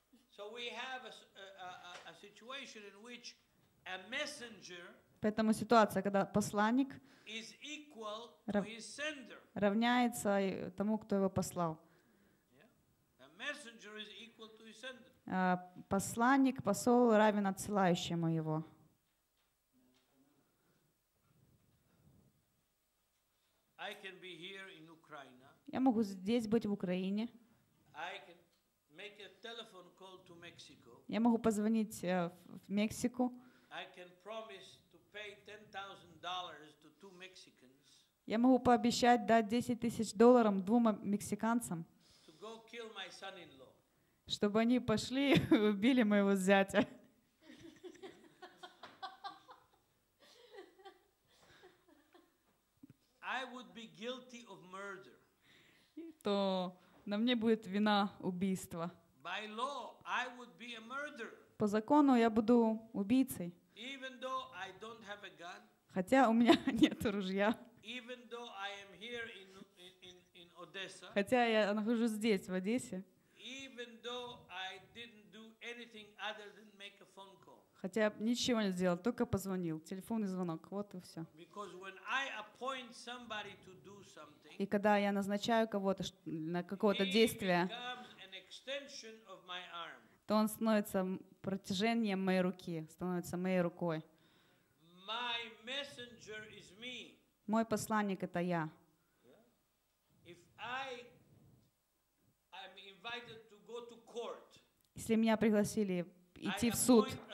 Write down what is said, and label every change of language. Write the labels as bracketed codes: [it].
[en] So we have a situation in which a messenger. [ru] Поэтому ситуация, когда посланник [en] is equal to his sender. [ru] Равняется тому, кто его послал. [en] Messenger is equal to his sender. [ru] Посланник, посол равен отсылающему его. [en] I can be here in Ukraine. [ru] Я могу здесь быть в Украине. [en] I can make a telephone call to Mexico. [ru] Я могу позвонить в Мексику. [en] I can promise to pay $10,000 to two Mexicans. [ru] Я могу пообещать дать $10,000 двум мексиканцам. [en] Kill my son-in-law. [ru] Чтобы они пошли убили моего зятя. [en] I would be guilty of murder. [ru] То на мне будет вина убийства. [en] By law, I would be a murderer. [ru] По закону я буду убийцей. [en] Even though I don't have a gun. [ru] Хотя у меня нет ружья. [en] Even though I am here in Odessa. [ru] Хотя я нахожусь здесь, в Одессе. [en] Even though I didn't do anything other than make a phone call. [ru] Хотя я ничего не сделал, только позвонил. Телефонный звонок, вот и все. [en] Because when I appoint somebody to do something, [ru] и когда я назначаю кого-то на какое-то действие, [en] it becomes an extension of my arm. [ru] То он становится протяжением моей руки, становится моей рукой. [en] My messenger is me. [ru] Мой посланник это я. [en] If I am invited to go to court. [ru] Если меня пригласили идти в суд.